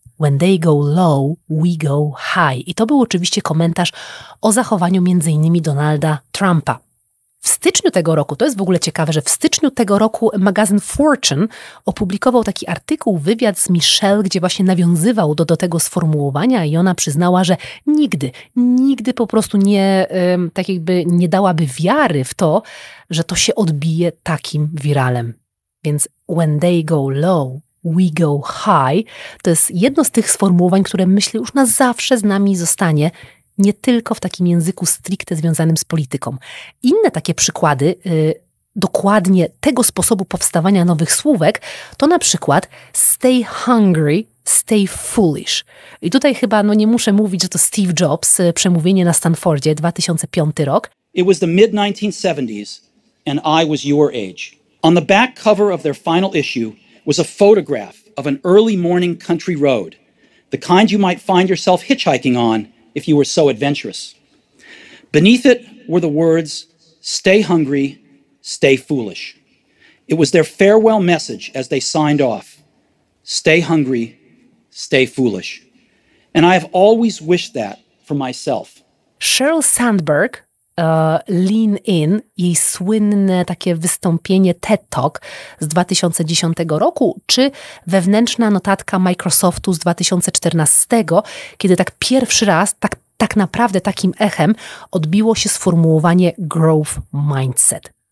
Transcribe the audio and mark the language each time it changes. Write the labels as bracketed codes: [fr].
[en] When they go low, we go high. [pl] I to był oczywiście komentarz o zachowaniu między innymi Donalda Trumpa. W styczniu tego roku, to jest w ogóle ciekawe, że w styczniu tego roku magazyn Fortune opublikował taki artykuł, wywiad z Michelle, gdzie właśnie nawiązywał do tego sformułowania i ona przyznała, że nigdy po prostu nie, tak jakby nie dałaby wiary w to, że to się odbije takim wiralem. Więc [en] when they go low, we go high, [pl] to jest jedno z tych sformułowań, które myślę już na zawsze z nami zostanie, nie tylko w takim języku stricte związanym z polityką. Inne takie przykłady dokładnie tego sposobu powstawania nowych słówek to na przykład [en] stay hungry, stay foolish. [pl] I tutaj chyba nie muszę mówić, że to Steve Jobs, przemówienie na Stanfordzie, 2005 rok. [en] It was the mid-1970s and I was your age. On the back cover of their final issue was a photograph of an early morning country road, the kind you might find yourself hitchhiking on if you were so adventurous. Beneath it were the words, stay hungry, stay foolish. It was their farewell message as they signed off, stay hungry, stay foolish. And I have always wished that for myself. [pl] Sheryl Sandberg, Lean In, jej słynne takie wystąpienie TED Talk z 2010 roku, czy wewnętrzna notatka Microsoftu z 2014, kiedy tak pierwszy raz, tak naprawdę takim echem odbiło się sformułowanie Growth Mindset.